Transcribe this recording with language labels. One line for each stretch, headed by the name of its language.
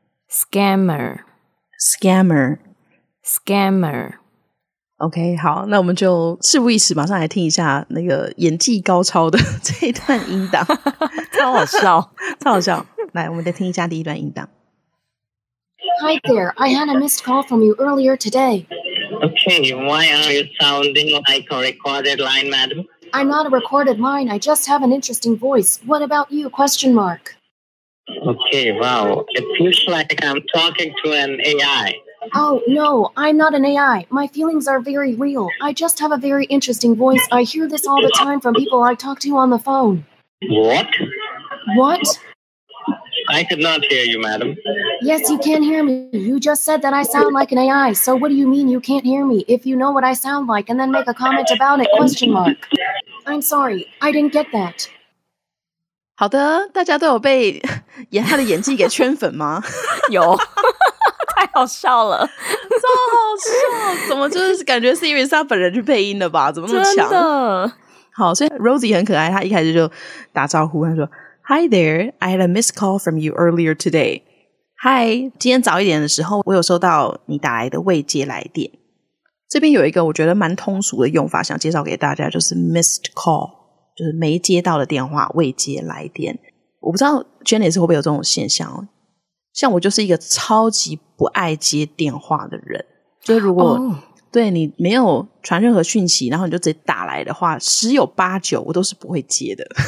English: scammer， scammer， scammer。
Chinese: OK， 好，那我们就事不宜迟，马上来听一下那个演技高超的这一段音档。超好笑，超好笑。来，我们再听一下第一段音档。
English: Hi there, I had a missed call from you earlier today. Okay, why are you sounding like a recorded line, madam? I'm not a recorded line, I just have an interesting voice. What about you, question mark? Okay, wow, it feels like I'm talking to an AI. Oh, no, I'm not an AI. My feelings are very real. I just have a very interesting voice. I hear this all the time from people I talk to on the phone. What? What? I could not hear you, madam. Yes, you can hear me. You just said that I sound like an AI. So what do you mean you can't hear me if you know what I sound like and then make a comment about it? Question mark. I'm sorry. I didn't get that.
Chinese: 好的，大家都有被他的演技给圈粉吗？有。太好笑了，超好笑！怎么就是感觉 Siri 是他本人去配音的吧？怎么那么强？好，所以 Rosie 很可爱，他一开始就打招呼，他说 ： “Hi there, I had a missed call from you earlier today. Hi， 今天早一点的时候，我有收到你打来的未接来电。这边有一个我觉得蛮通俗的用法，想介绍给大家，就是 missed call， 就是没接到的电话，未接来电。我不知道 Jenny 是会不会有这种现象哦。” 像我就是一个超级不爱接电话的人，就是如果、对你没有传任何讯息，然后你就直接打来的话，十有八九我都是不会接的。